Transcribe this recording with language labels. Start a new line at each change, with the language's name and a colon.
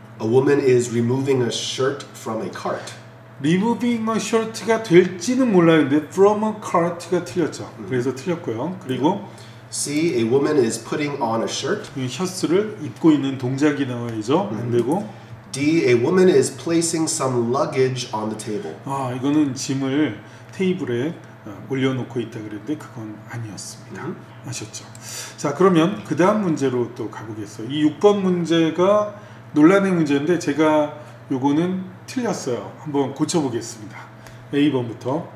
English: A woman is removing a shirt from a cart.
Korean: Removing a shirt가 될지는 몰랐는데 from a cart가 틀렸죠. 그래서 틀렸고요. 그리고
English: C. A woman is putting on a shirt.
Korean: 셔츠를 입고 있는 동작이 나와야죠. 안 되고.
English: D. A woman is placing some luggage on the table.
Korean: 아, 이거는 짐을 테이블에 올려놓고 있다 그랬는데 그건 아니었습니다. 아셨죠? 자, 그러면 그 다음 문제로 또 가보겠어요. 이 6번 문제가 논란의 문제인데 제가 이거는 틀렸어요. 한번 고쳐보겠습니다. A번부터